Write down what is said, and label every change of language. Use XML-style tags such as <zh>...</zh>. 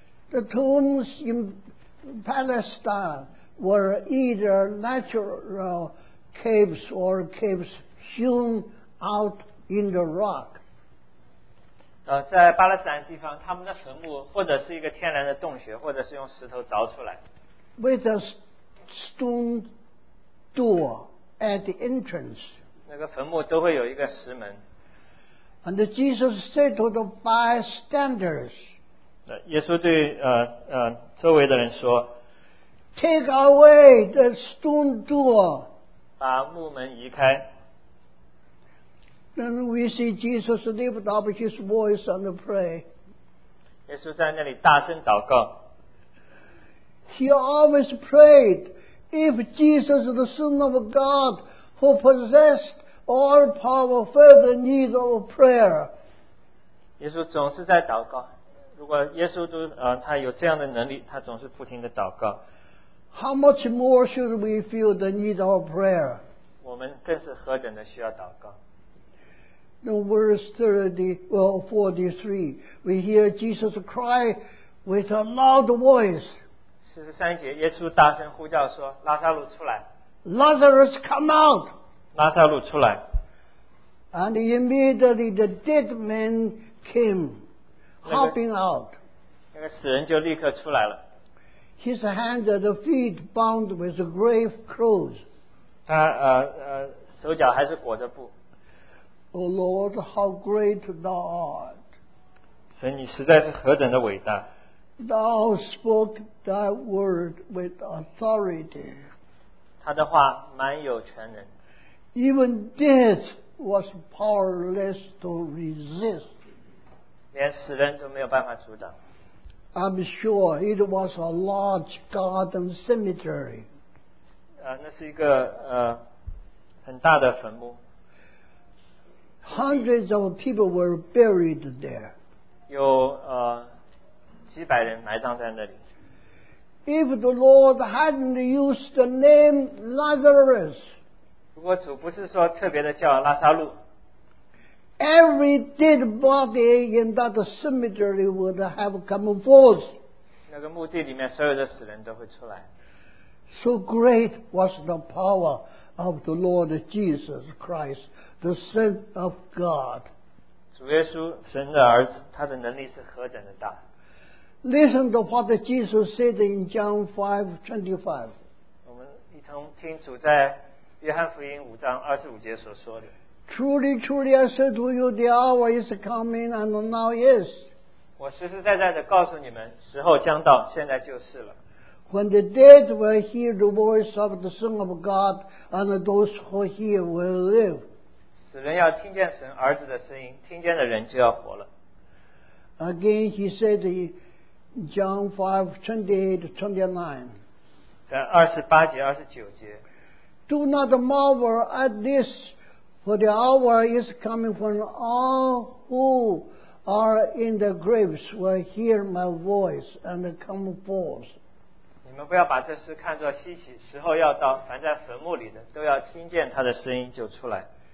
<en>The tombs in Palestine were either natural caves or caves hewn out in the rock.</en> <zh>在巴勒斯坦地方，他们的坟墓或者是一个天然的洞穴，或者是用石头凿出来。</zh> <en>With a stone door at the entrance.</en> <zh>那个坟墓都会有一个石门。</zh> <en>And Jesus said to the bystanders,</en> <zh>耶稣对周围的人说,</zh> <en>Take away the stone door.</en> <zh>把木门移开。</zh> <en>Then we see Jesus lift up his voice and pray.</en> <zh>耶稣在那里大声祷告。</zh> <en>He always prayed, If Jesus, the Son of God, who possessed All power further need of prayer.</en> <zh>耶稣总是在祷告。如果耶稣都他有这样的能力，他总是不停的祷告。</zh> <en>How much more should we feel the need of prayer?</en> <zh>我们更是何等的需要祷告。</zh> <en>The verse 43, we hear Jesus cry with a loud voice.</en> <zh>43节，耶稣大声呼叫说：“拉撒路出来。”</zh> <en>Lazarus, come out.</en> <zh>拉撒路出来。</zh> <en>And immediately the dead man came, hopping out.</en> <zh>那个死人就立刻出来了。</zh> <en>His hands and feet bound with grave clothes.</en> <zh>他手脚还是裹着布。</zh> <en>O Lord, how great thou art.</en> <zh>神，你实在是何等的伟大。</zh> <en>Thou spoke thy word with authority.</en> <zh>他的话蛮有权能。</zh> <en>Even death was powerless to resist.</en> <zh>连死人都没有办法阻挡。</zh> <en>I'm sure it was a large garden cemetery.</en> <zh>那是一个很大的坟墓。</zh> <en>Hundreds of people were buried there.</en> <zh>有几百人埋葬在那里。</zh> <en>If the Lord hadn't used the name Lazarus,</en> <zh>如果主不是说特别的叫拉撒路，</zh> <en>Every dead body in that cemetery would have come forth.</en> <zh>那个墓地里面所有的死人都会出来。</zh> <en>So great was the power of the Lord Jesus Christ, the Son of God.</en> <zh>主耶稣神的儿子，他的能力是何等的大。</zh> <en>Listen to what Jesus said in John 5:25.</en> <zh>我们一同听主在约翰福音五章二十五节所说的。</zh> <en>Truly, truly, I said to you, the hour is coming, and now is.</en> <zh>我实实在在的告诉你们，时候将到，现在就是了。</zh> <en>When the dead will hear the voice of the Son of God, and those who hear will live.</en> <zh>死人要听见神儿子的声音，听见的人就要活了。</zh> <en>Again, he said in John 5:28-29.</en> <zh>在二十八节、二十九节。</zh> <en>Do not marvel at this, for the hour is coming when all who are in the graves will hear my voice and come forth.</en> <zh>你们不要把这事看作稀奇，时候要到，凡在坟墓里的都要听见他的声音就出来。</zh>